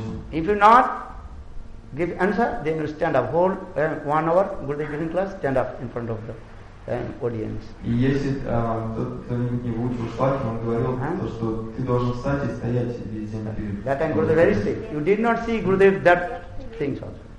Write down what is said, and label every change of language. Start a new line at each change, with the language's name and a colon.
English: If you not give answer, then you stand up whole 1 hour Gurudev giving class, stand up in front of the audience.
Russian: И если кто не выучил шлаки, он говорил, что ты должен встать и стоять весь день перед.
English: That time Gurudev very strict. You did not see Gurudev that things also.